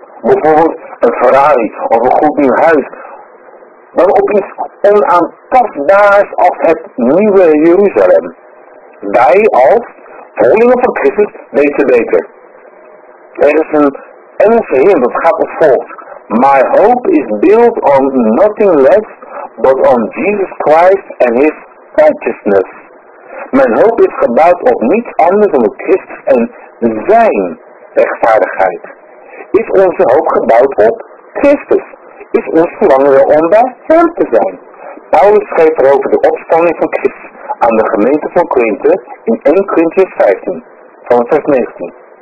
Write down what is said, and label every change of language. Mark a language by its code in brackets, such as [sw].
[nl] Bijvoorbeeld een Ferrari of een goed nieuw huis. Dan op iets onaantastbaars als het nieuwe Jeruzalem. Wij als volgelingen van Christus weten beter. Er is een Engelse hymn dat gaat als volgt. [en] My hope is built on nothing less but on Jesus Christ and his righteousness. [nl] Mijn hoop is gebouwd op niets anders dan Christus en zijn rechtvaardigheid. Is onze hoop gebouwd op Christus? Is ons verlangen wel om bij hem te zijn? Paulus schreef erover de opstanding van Christus aan de gemeente van Korinthe in 1 Korintiërs 15, vanaf vers 19.